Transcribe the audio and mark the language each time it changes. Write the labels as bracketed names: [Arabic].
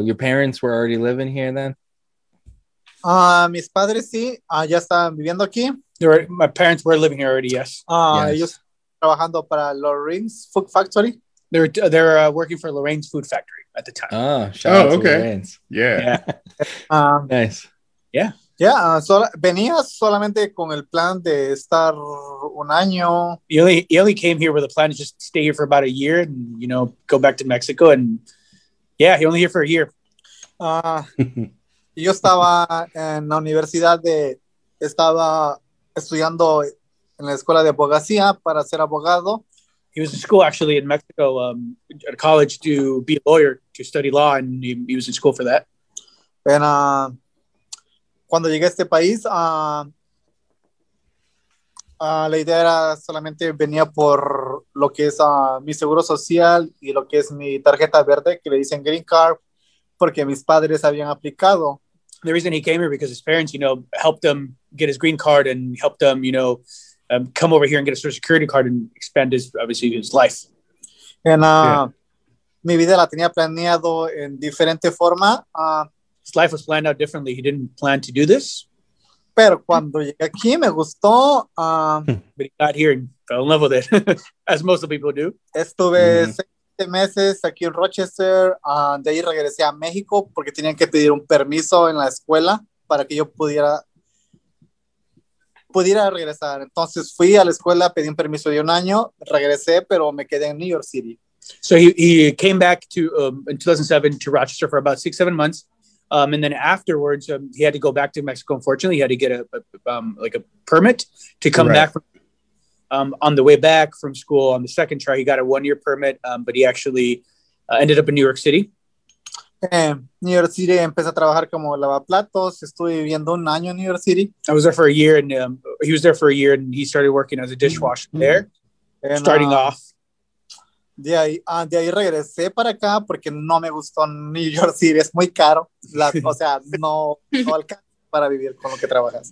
[English] Your parents were already living here then? [Spanish] Mis padres sí, ya estaban viviendo aquí. [English] My parents were living here already, yes. [Spanish] Ellos trabajando para Lorraine's Food Factory. [English] They're working for Lorraine's Food Factory at the time. Oh, shout out to Lorraine's. Yeah. Nice. Yeah. [Spanish] Yeah, venía solamente con el plan de estar un año. [English] He only came here with a plan to just stay here for about a year and, you know, go back to Mexico. And yeah, he only here for a year. [Spanish] yo estaba en la universidad estaba estudiando en la escuela de abogacía para ser abogado. [English] He was in school actually in Mexico, at college to be a lawyer, to study law, and he was in school for that. [Spanish] And, cuando llegué a este país, la idea era solamente venía por lo que es mi seguro social y lo que es mi tarjeta verde, que le dicen green card, porque mis padres habían aplicado. [English] The reason he came here because his parents, you know, helped him get his green card and helped him, you know, come over here and get a social security card and expand his, obviously, his life. [Spanish] Mi vida la tenía planeado en diferente forma. [English] His life was planned out differently. He didn't plan to do this. [Spanish] Pero cuando llegué aquí, me gustó. [English] But he got here and fell in love with it, as most of the people do. [Spanish] Estuve 6 meses aquí en Rochester. De ahí regresé a México porque tenían que pedir un permiso en la escuela para que yo pudiera regresar. Entonces fui a la escuela, pedí un permiso de un año, regresé, pero me quedé en New York City. [English] So he came back to in 2007 to Rochester for about 6-7 months. And then afterwards, he had to go back to Mexico. Unfortunately, he had to get a permit to come back. On the way back from school, on the second try, he got a 1-year permit, but he actually ended up in New York City. [Spanish] New York City, empecé a trabajar como lavaplatos. Estuve viviendo un año en New York City. [English] I was there for a year, and he was there for a year, and he started working as a dishwasher there, starting off. [Spanish] De ahí regresé para acá porque no me gustó New York City. Es muy caro. O sea, no alcanza para vivir con lo que trabajas.